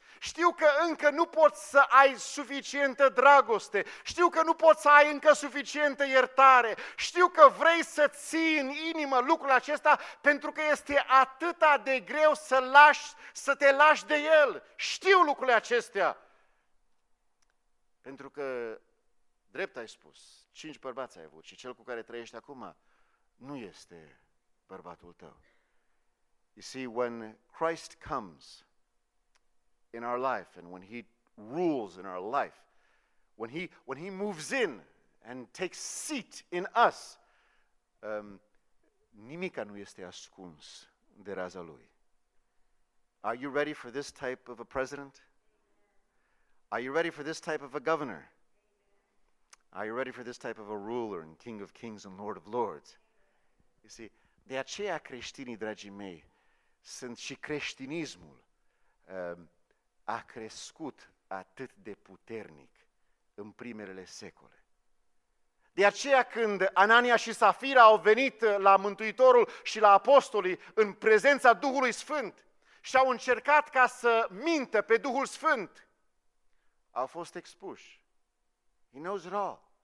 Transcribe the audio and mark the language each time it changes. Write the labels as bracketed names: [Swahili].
[Romanian] Știu că încă nu poți să ai suficientă dragoste, știu că nu poți să ai încă suficientă iertare, știu că vrei să ții în inimă lucrul acesta pentru că este atâta de greu să te lași de el. Știu lucrurile acestea. Pentru că, drept ai spus, 5 bărbați ai avut și cel cu care trăiești acum nu este bărbatul tău. [English] You see, when Christ comes in our life, and when he rules in our life, when he moves in and takes seat in us, [Romanian] nimica nu este ascuns de raza lui. [English] Are you ready for this type of a president? Are you ready for this type of a governor? Are you ready for this type of a ruler and king of kings and lord of lords? You see, [Romanian] de aceea creștinii, dragii mei, sunt și creștinismul a crescut atât de puternic în primele secole. De aceea când Anania și Safira au venit la Mântuitorul și la apostolii în prezența Duhului Sfânt și au încercat ca să mintă pe Duhul Sfânt, au fost expuși. [English] He knows it all.